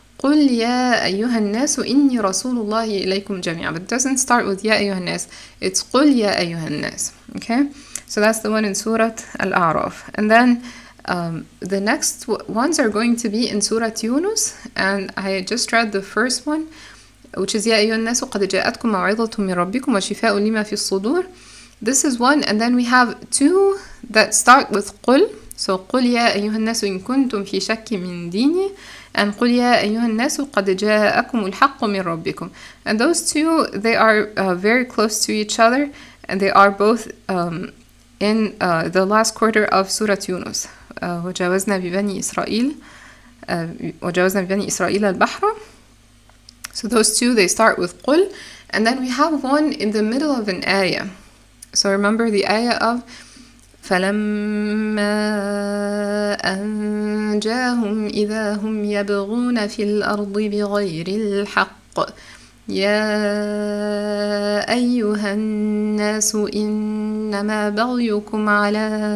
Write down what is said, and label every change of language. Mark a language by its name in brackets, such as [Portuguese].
[Arabic] قُلْ يَا أَيُّهَا النَّاسُ إِنِّي رَسُولُ اللَّهِ إِلَيْكُمْ جَمِيعًا. [English] But it doesn't start with [Arabic] يَا أَيُّهَا النَّاسُ. [English] It's [Arabic] قُلْ يَا أَيُّهَا النَّاسُ. [English] Okay? So that's the one in Surah Al-A'raf. And then, the next ones are going to be in Surah Yunus, and I just read the first one, which is [Arabic] يا أيها الناس قد جاءتكم موعظة من ربكم وشفاء لما في الصدور. [English] This is one, and then we have two that start with قل. [Arabic] So قل يا أيها الناس إن كنتم في شك من ديني, and قل يا أيها الناس قد جاءكم الحق من ربكم. [English] And those two, they are very close to each other, and they are both in the last quarter of Surah Yunus. [Arabic] وجاوزنا ببني إسرائيل وجاوزنا ببني إسرائيل البحر. [English] So those two, they start with قل, and then we have one in the middle of an ayah. So remember the ayah of [Arabic] فَلَمَّا أَنْجَاهُمْ إِذَا هُمْ يَبْغُونَ فِي الْأَرْضِ بِغَيْرِ الْحَقِّ يَا أَيُّهَا النَّاسُ إِنَّمَا بَغْيُكُمْ عَلَىٰ